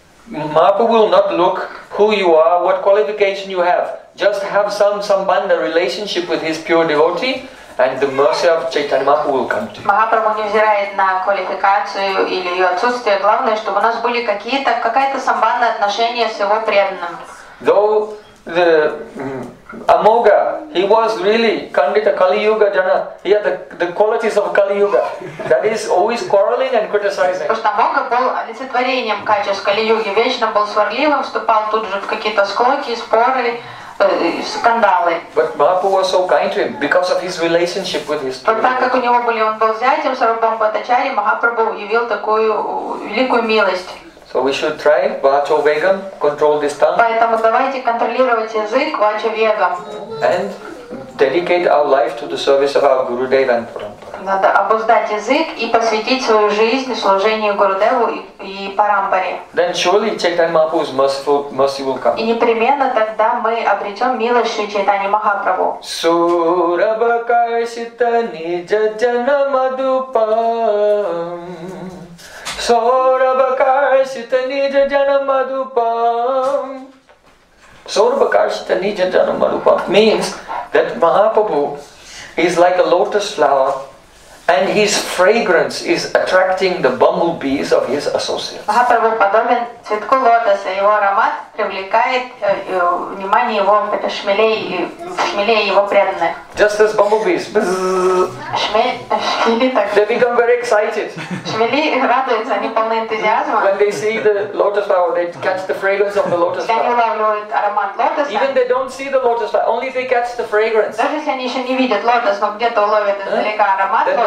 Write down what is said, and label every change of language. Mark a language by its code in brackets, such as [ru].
[en] Mahaprabhu will not look who you are, what qualification you have. Just have some sambandha, relationship with his pure devotee, and the mercy of Chaitanya Mahaprabhu will come to you. [ru] Махапрабху не взирает на квалификацию или ее отсутствие. Главное, чтобы у нас были какая-то самбандные отношения с его преданным. [en] Though the Amogha, he was really [sa] Kandita Kali Yuga Jana. [en] He had the qualities of Kali Yuga. That is always quarreling and criticizing. [ru] Потому что Амога был олицетворением качеств Кали Юги. Вечно был сварливым, вступал тут же в какие-то склоки, споры. Скандалы. [en] But Mahaprabhu was so kind to him because of his relationship with his. [ru] Но так как у него были, он был зятем Сарвабхаума Бхаттачарьи, Махапрабху явил такую великую милость. [en] So we should try Vacho Vegam, control this tongue. [ru] Поэтому давайте контролировать язык Vacho Vegam. [en] And dedicate our life to the service of our Gurudev and Parampara. [ru] надо обуздать язык и посвятить свою жизнь служению Гурудеву и Парампаре. [en] Then surely Chaitanya Mahaprabhu's mercy will come. [ru] И непременно тогда мы обретем милость Шри Чайтаньи Махапрабху. [sa] Сурабакасита ниджана мадупам. Сурабакасита ниджана мадупам. Сурабакасита ниджана мадупам [en] means that Mahaprabhu is like a lotus flower, and his fragrance is attracting the bumblebees of his associates. [ru] Махапрабху подобен цветку лотоса, его аромат привлекает внимание его шмелей его преданных. [en] Just as bumblebees, [ru] шмели так. [en] They become very excited. [ru] Шмели радуются, они полны энтузиазма. [en] When they see the lotus flower, they catch the fragrance of the lotus flower. [ru] Они ловят аромат лотоса. [en] Even they don't see the lotus flower, only they catch the fragrance. [ru] Даже если они еще не видят лотос, но где-то ловят издалека аромат.